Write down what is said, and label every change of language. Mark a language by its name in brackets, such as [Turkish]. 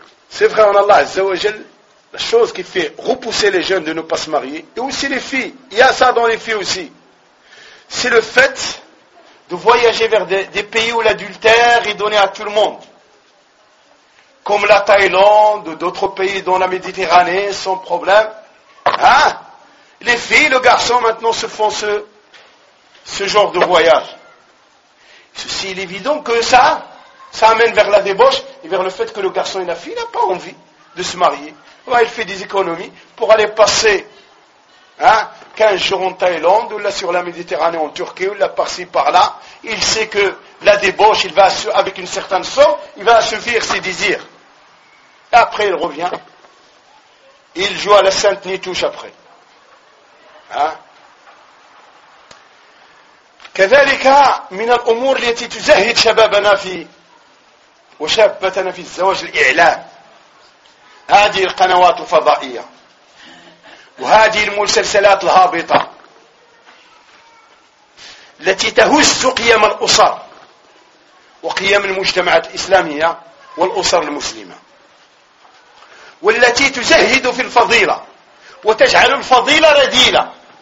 [Arabic] سيف خير من الله عز وجل [French] La chose qui fait repousser les jeunes de ne pas se marier, et aussi les filles, il y a ça dans les filles aussi, c'est le fait de voyager vers des pays où l'adultère est donné à tout le monde. Comme la Thaïlande, d'autres pays dans la Méditerranée, sans problème. Hein? Les filles, le garçon maintenant se font ce genre de voyage. Ceci est évident que ça amène vers la débauche et vers le fait que le garçon et la fille n'ont pas envie de se marier. Ouais, il fait des économies pour aller passer 15 jours en Thaïlande ou là sur la Méditerranée en Turquie ou là par-ci par-là. Il sait que la débauche, il va avec une certaine somme, il va assouvir ses désirs. Après, il revient. Il joue à la sainte nitouche après. [Arabic] كذلك من الأمور التي تزهد شبابنا في وشابتنا في الزواج الإعلام هذه القنوات الفضائية وهذه المسلسلات الهابطة التي تهز قيم الأسر وقيم المجتمعات الإسلامية والأسر المسلمة والتي تزهد في الفضيلة وتجعل الفضيلة رذيلة